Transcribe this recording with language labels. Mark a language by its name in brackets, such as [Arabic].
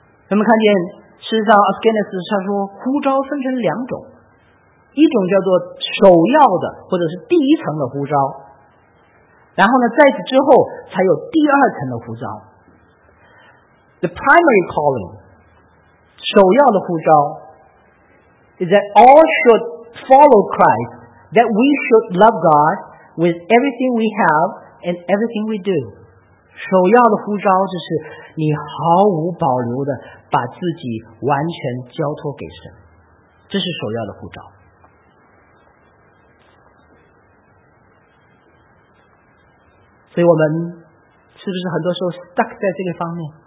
[Chinese] 我们看见事实上 Genesis 他说呼召分成两种，一种叫做首要的或者是第一层的呼召，然后呢在此之后才有第二层的呼召。 [English] The primary calling [Chinese] 首要的呼召 [English] is that all should follow Christ, that we should love God with everything we have and everything we do。 [Chinese] 首要的呼召就是你毫无保留的把自己完全交托给神，这是首要的呼召。所以我们是不是很多时候 [English] stuck [Chinese] 在这个方面？